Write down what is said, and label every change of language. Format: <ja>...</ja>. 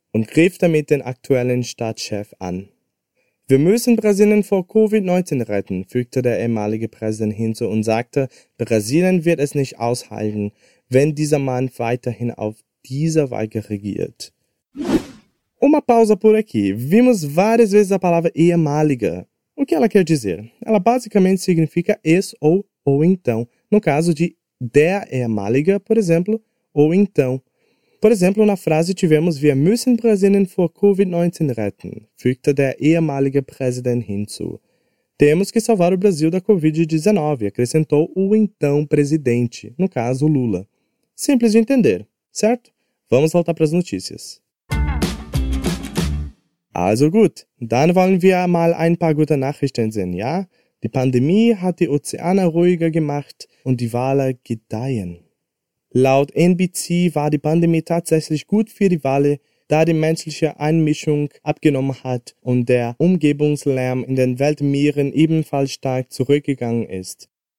<de>Und griff damit den aktuellen Staatschef an. Wir müssen Brasilien vor Covid-19 retten, fügte der ehemalige Präsident hinzu und sagte, Brasilien wird es nicht aushalten, wenn dieser Mann weiterhin auf dieser Weise regiert.</de> <pt>Uma pausa por aqui. Vimos várias vezes a palavra ehemalige. O que ela quer dizer? Ela basicamente significa es ou então. No caso de der ehemalige, por exemplo, ou então. Por exemplo, na frase tivemos</pt> <de>Wir müssen Brasilien vor Covid-19 retten, fügte der ehemalige Präsident hinzu.</de> <pt>Temos que salvar o Brasil da Covid-19, acrescentou o então presidente, no caso Lula. Simples de entender, certo? Vamos voltar para as notícias.</pt> <de>Also gut, dann wollen wir mal ein paar gute Nachrichten sehen, ja? Die Pandemie hat die Ozeane ruhiger gemacht und die Wale gedeihen. Laut NBC war die Pandemie tatsächlich gut für die Wale, da die menschliche Einmischung abgenommen hat und der Umgebungslärm in den Weltmeeren ebenfalls stark zurückgegangen ist.</de>